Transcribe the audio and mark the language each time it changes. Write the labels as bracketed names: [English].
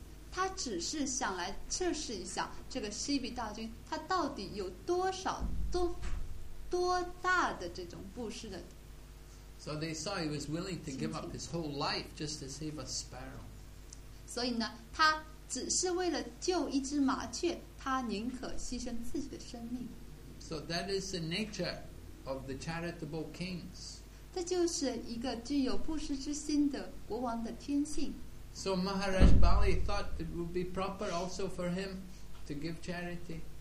[Chinese] 他只是想来测试一下这个西比大君，他到底有多少多大的这种布施的。 [English] So they saw he was willing to give up his whole life just to save a sparrow. [Chinese] 所以呢，他只是为了救一只麻雀，他宁可牺牲自己的生命。 [English] So that is the nature of the charitable kings. [Chinese] 这就是一个具有布施之心的国王的天性。 [English] So Maharaj Bali thought it would be proper also for him to give charity.